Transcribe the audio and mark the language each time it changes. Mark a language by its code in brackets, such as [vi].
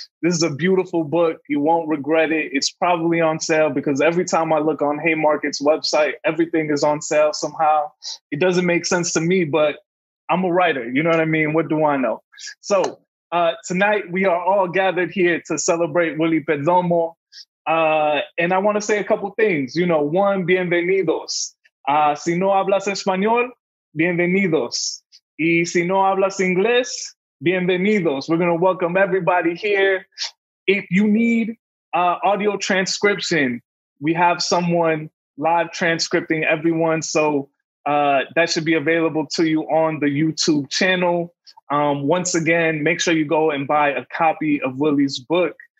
[en] This is a beautiful book. You won't regret it. It's probably on sale because every time I look on Haymarket's website, everything is on sale somehow. It doesn't make sense to me, but I'm a writer. You know what I mean? What do I know? So tonight we are all gathered here to celebrate Willy Perdomo. And I want to say a couple things. You know, one, bienvenidos. [es] Si no hablas español, bienvenidos. Y si no hablas inglés, bienvenidos. [en] We're going to welcome everybody here. If you need audio transcription, we have someone live transcripting everyone. So that should be available to you on the YouTube channel. Once again, make sure you go and buy a copy of Willy's book.